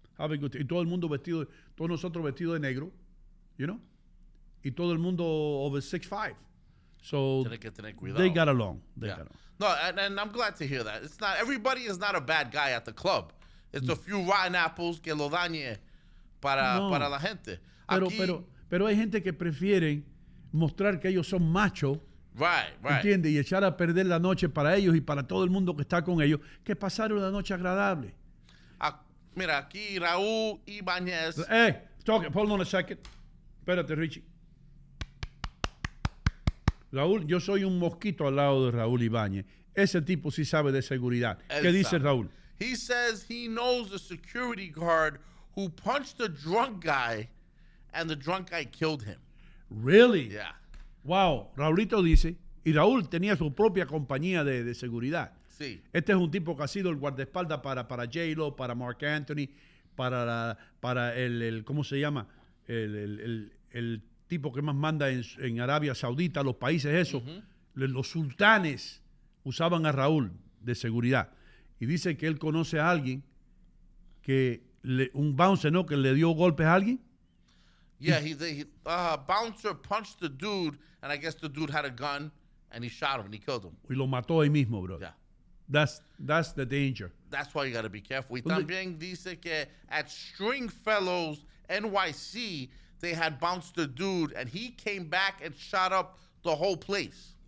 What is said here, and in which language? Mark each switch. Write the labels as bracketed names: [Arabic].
[English] Have a good time. [Spanish] Y todo el mundo vestido, todos nosotros vestidos de negro, [English] you know? [Spanish] Y todo el mundo [English] over 6'5". So, [Spanish] tiene que tener cuidado. [English] They got along. They yeah. got along. No, and I'm glad to hear that. It's not, everybody is not a bad guy at the club. It's a few rotten apples [Spanish] que lo dañe para, no, para la gente. Pero, aquí, pero hay gente que prefiere mostrar que ellos son machos. [English] Right, right. [Spanish] ¿Entiendes? Y echar a perder la noche para ellos y para todo el mundo que está con ellos, que pasar una noche agradable. Mira, aquí Raúl Ibáñez. [English] Hey, hold on a second. [Spanish] Espérate, Richie. Raúl, yo soy un mosquito al lado de Raúl Ibáñez. Ese tipo sí sabe de seguridad. Exacto. ¿Qué dice Raúl? [English] He says he knows a security guard who punched a drunk guy and the drunk guy killed him. Really? Yeah. Wow. [Spanish] Raulito dice, y Raúl tenía su propia compañía de seguridad. Sí. Este es un tipo que ha sido el guardaespaldas para J-Lo, para Mark Anthony, para el ¿cómo se llama? El tipo que más manda en Arabia Saudita, los países esos. Uh-huh. Los sultanes usaban a Raúl de seguridad. Y dice que él conoce a alguien que un bouncer, ¿no? Que le dio golpes a alguien. [English] Yeah, the bouncer punched the dude, and I guess the dude had a gun, and he shot him, and he killed him. [Spanish] Y lo mató ahí mismo, bro. [English] Yeah. That's the danger. That's why you got to be careful. [Spanish] Y también dice que [English] at Stringfellows NYC, they had bounced the dude, and he came back and shot up the whole place.